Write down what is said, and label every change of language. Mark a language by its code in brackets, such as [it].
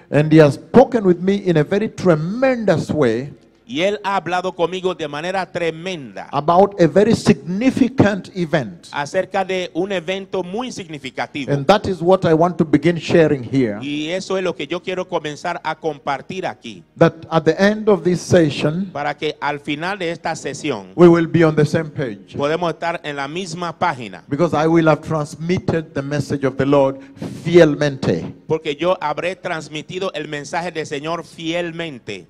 [en] And he has spoken with me in a very tremendous way. [es] Y él ha hablado conmigo de manera tremenda. [en] About a very significant event. [es] Acerca de un evento muy significativo. [en] And that is what I want to begin sharing here. [es] Y eso es lo que yo quiero comenzar a compartir aquí. [en] That at the end of this session, [es] para que al final de esta sesión, [en] we will be on the same page. [es] Podemos estar en la misma página. [en] Because I will have transmitted the message of the Lord [es] fielmente. Porque yo habré transmitido el mensaje del Señor fielmente.